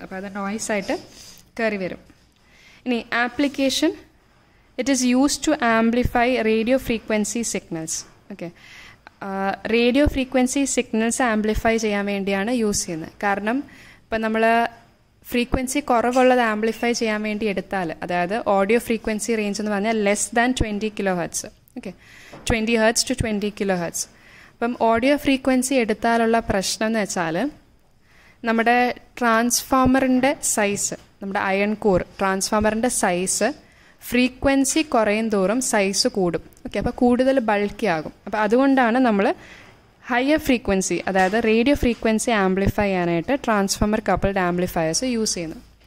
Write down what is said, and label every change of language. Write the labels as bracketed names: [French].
[Malayalam] അപ്പോൾ അത് നോയ്സായിട്ട് കയറി വരും. ഇനി application, [English] It is use to amplify radio frequency signals. [Malayalam] Okay, radio frequency signals amplify ചെയ്യാൻ വേണ്ടിയാണ് യൂസ് ചെയ്യുന്നത്. കാരണം ഇപ്പം നമ്മൾ ഫ്രീക്വൻസി കുറവുള്ളത് ആംപ്ലിഫൈ ചെയ്യാൻ വേണ്ടി എടുത്താൽ, അതായത് ഓഡിയോ ഫ്രീക്വൻസി റേഞ്ച് എന്ന് പറഞ്ഞാൽ [English] Less than 20 kHz. Okay, 20 Hz to 20 kHz. [Malayalam] അപ്പം ഓഡിയോ ഫ്രീക്വൻസി എടുത്താലുള്ള പ്രശ്നം എന്ന് വെച്ചാൽ, നമ്മുടെ ട്രാൻസ്ഫോമറിൻ്റെ സൈസ്, നമ്മുടെ അയൺ കോർ ട്രാൻസ്ഫോമറിൻ്റെ സൈസ് ഫ്രീക്വൻസി കുറയും തോറും സൈസ് കൂടും. ഓക്കെ, അപ്പോൾ കൂടുതൽ ബൾക്കി ആകും. അപ്പോൾ അതുകൊണ്ടാണ് നമ്മൾ ഹയർ ഫ്രീക്വൻസി, അതായത് റേഡിയോ ഫ്രീക്വൻസി ആംപ്ലിഫൈ ചെയ്യാനായിട്ട് ട്രാൻസ്ഫോമർ കപ്പിൾഡ് ആംപ്ലിഫയേഴ്സ് യൂസ് ചെയ്യുന്നത്.